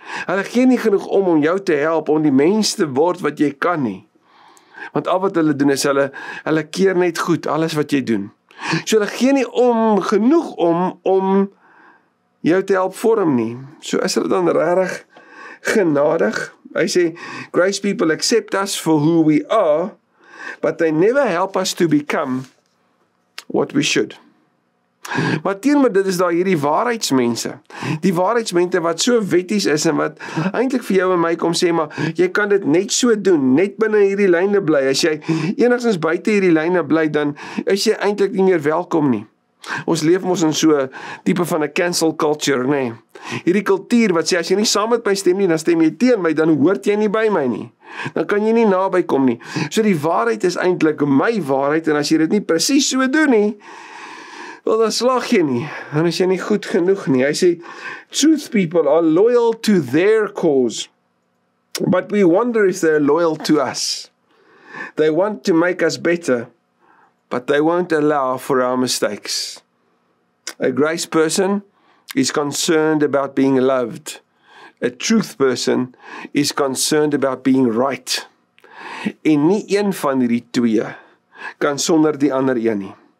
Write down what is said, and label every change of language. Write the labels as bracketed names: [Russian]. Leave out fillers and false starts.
[Afrikaans] Hulle gee nie genoeg om jou te help, om die mens te word wat jy kan nie. Want al wat hulle doen is, hulle keer net goed, alles wat jy doen. So hulle gee nie genoeg om jou te help vorm nie. So is hulle dan rarig genadig. Hy sê, [English] grace people accept us for who we are, but they never help us to become what we should. [Afrikaans] Maar teenoor dit is daar hierdie waarheidsmense. Die waarheidsmense wat so wetties is en wat eintlik vir jou en my kom sê, maar jy kan dit net so doen, net binne hierdie lyne bly. As jy enigstens buite hierdie lyne bly, dan is jy eintlik nie meer welkom nie. Ons leef ons in so type van 'n cancel culture, nee. Hierdie kultuur wat sê, as jy nie saam met my stem nie, dan stem jy teen my, dan hoort jy nie by my nie. Dan kan jy nie naby kom nie. So die waarheid is eintlik my waarheid, en as jy dit nie presies so doen nie, wel, dan slag jy nie, dan is jy nie goed genoeg nie. Hy sê, [English] truth people are loyal to their cause, but we wonder if they're loyal to us. They want to make us better, but they won't allow for our mistakes. A grace person is concerned about being loved. A truth person is concerned about being right. [Afrikaans] En nie een van die twee kan sonder die ander een nie.